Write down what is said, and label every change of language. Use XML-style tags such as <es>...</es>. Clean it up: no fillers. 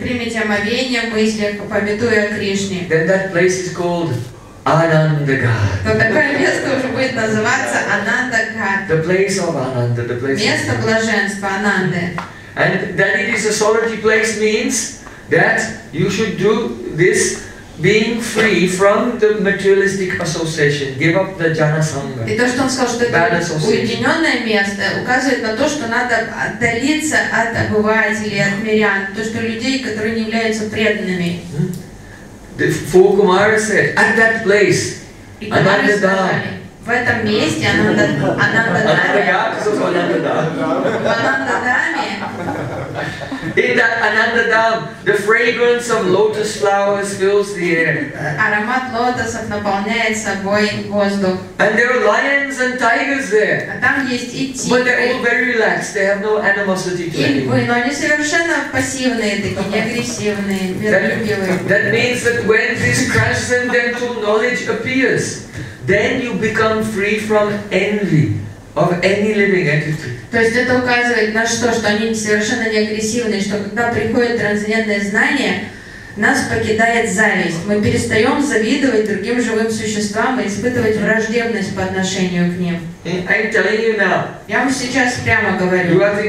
<ru>примите омовение в мыслях, памятуя о Кришне.</ru> <en>Then that place is called Анандагат.</en> <ru>То такое место уже будет называться Анандагат.</ru> <en>The place of Ананда, the place.</en> <ru>Место блаженства Ананды.</ru> <en>And that it is a solitary place means that you should do this being free from the materialistic association, give up the jhana sangha.</en> <ru>И то, что он сказал, что это уединенное место, указывает на то, что надо отдалиться от обывателей, от мирян, то, что людей, которые не являются преданными.</ru> <en>The four Kumaras said, at that place, Ananda.</en> <ru>В этом месте Ананда Даме. Ананда Даме.</ru> <en>In that Ananda Dham, the fragrance of lotus flowers fills the air.</en> <ru>Аромат лотосов наполняет собой воздух.</ru> <en>And there are lions and tigers there.</en> <ru>А там есть и тигры.</ru> <en>But they're all very relaxed. They have no animosity to anyone.</en> <ru>Но они совершенно пассивные, такие не агрессивные, миролюбивые.</ru> <en>That means that when this transcendental knowledge appears, then you become free from envy of any living entity.</en> <ru>То есть это указывает на что, что они совершенно не агрессивные, что когда приходит трансцендентное знание, нас покидает зависть. Мы перестаем завидовать другим живым существам и испытывать враждебность по отношению к ним.</ru> <en>I'm telling you now.</en> <ru>Я вам сейчас прямо говорю.</ru>